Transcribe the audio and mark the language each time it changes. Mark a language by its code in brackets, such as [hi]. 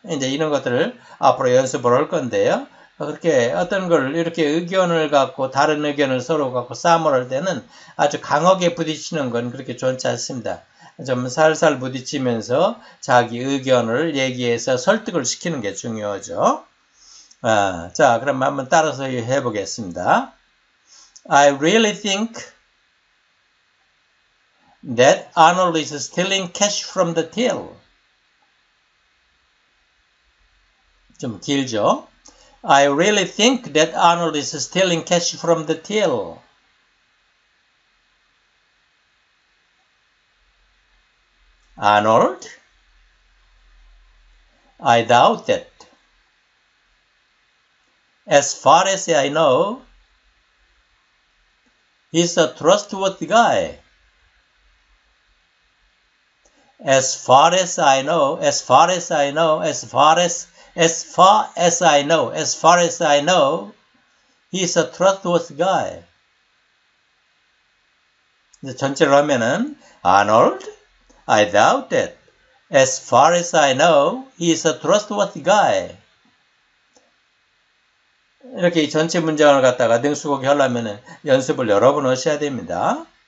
[ko] 이제 이런 것들을 앞으로 연습을 할 건데요. 그렇게 어떤 걸 이렇게 의견을 갖고 다른 의견을 서로 갖고 싸움을 할 때는 아주 강하게 부딪히는 건 그렇게 좋지 않습니다. 좀 살살 부딪히면서 자기 의견을 얘기해서 설득을 시키는 게 중요하죠. 자, 그럼 한번 따라서 해보겠습니다. [en] I really think that Arnold is stealing cash from the till. [ko] 좀 길죠? [en] I really think that Arnold is stealing cash from the till. [ko] 아놀드? [en] I doubt that. As far as I know, he's a trustworthy guy. As far as I know, he's a trustworthy guy. [ko] 이제 전체를 하면은, [en] Arnold, I doubt it. As far as I know, he's a trustworthy guy. [ko] 이렇게 전체 문장을 갖다가 능숙하게 하려면은 연습을 여러 번 하셔야 됩니다.